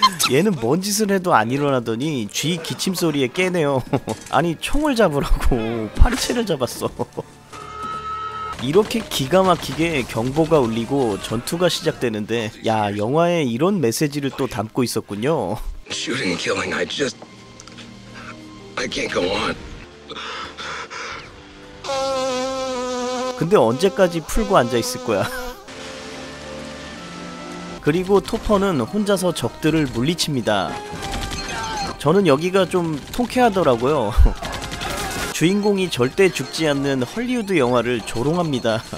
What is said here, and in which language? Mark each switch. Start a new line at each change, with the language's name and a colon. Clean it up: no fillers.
Korean: 얘는 뭔 짓을 해도 안 일어나더니 쥐 기침 소리에 깨네요. 아니, 총을 잡으라고 파리채를 잡았어. 이렇게 기가 막히게 경보가 울리고 전투가 시작되는데, 야, 영화에 이런 메시지를 또 담고 있었군요.
English: Shooting, killing, I just I can't go on.
Korean: 근데 언제까지 풀고 앉아 있을 거야? 그리고 토퍼는 혼자서 적들을 물리칩니다. 저는 여기가 좀 통쾌하더라고요. 주인공이 절대 죽지 않는 헐리우드 영화를 조롱합니다.